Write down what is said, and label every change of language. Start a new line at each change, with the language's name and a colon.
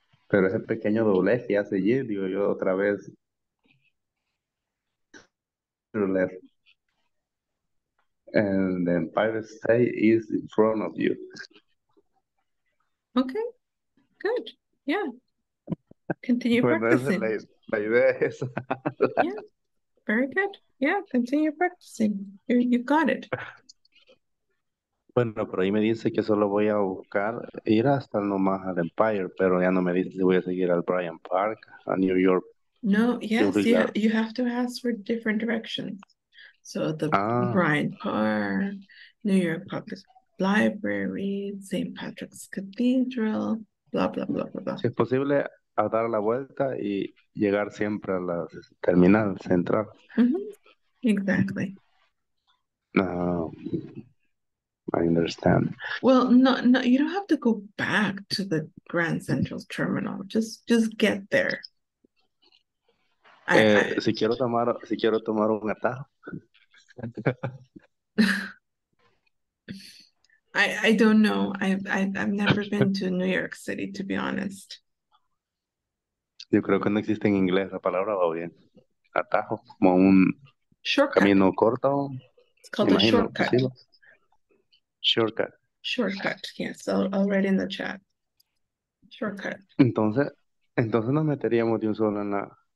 Spanish: Pero ese pequeño doblez que hace allí, digo yo otra vez.
English: To left. And the Empire State is in front of you. Okay, good. Yeah. Continue practicing. My idea is. Yeah, very good. Yeah, continue practicing. You got it.
Spanish: Bueno, pero ahí me dice que solo voy a buscar ir hasta nomás al Empire, pero ya no me dice si voy a seguir al Bryant Park, a New York.
English: No, yes, you have to ask for different directions. So the Bryant Park, New York Public Library, St. Patrick's Cathedral, blah, blah, blah, blah, blah.
Spanish: Si es posible, a dar la vuelta y llegar siempre a la terminal central.
English: Mm-hmm. Exactly. No. I understand. Well, no, you don't have to go back to the Grand Central Terminal. Just get there.
Spanish: Si quiero tomar un atajo.
English: I don't know. I've never been to New York City, to be honest.
Spanish: Yo creo que no existe en inglés la palabra, va bien. Atajo, como un
English: shortcut.
Spanish: Camino corto.
English: It's called a shortcut. Shortcut. Shortcut, yes. I'll write in the chat. Shortcut.
Spanish: Entonces nos meteríamos de un solo en la